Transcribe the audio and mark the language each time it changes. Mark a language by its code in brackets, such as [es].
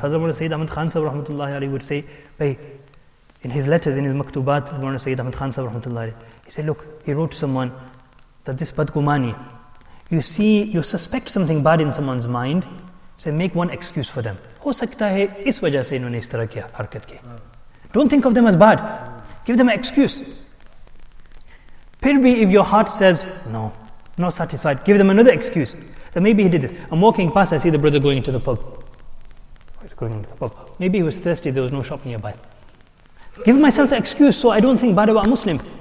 [en] Hazrat Sayyid Ahmad Khan Sahib rahmatullahi alayhi would say, "Hey," in his letters, in his maktubat, Mawlana Sayyid Ahmad Khan Sahib rahmatullahi alayhi, he said, "Look," he wrote to someone, "that this badgumani, you see, you suspect something bad in someone's mind, so make one excuse for them. [ur] ہو سکتا ہے اس وجہ سے انہوں نے اس طرح کی حرکت کی. [en] Don't think of them as bad. Give them an excuse. [ur] Phir bhi, [en] if your heart says, no, not satisfied, give them another excuse. That maybe he did this. I'm walking past, I see the brother going into the pub. He's going into the pub. Maybe he was thirsty, there was no shop nearby. Give myself an excuse so I don't think bad about a Muslim."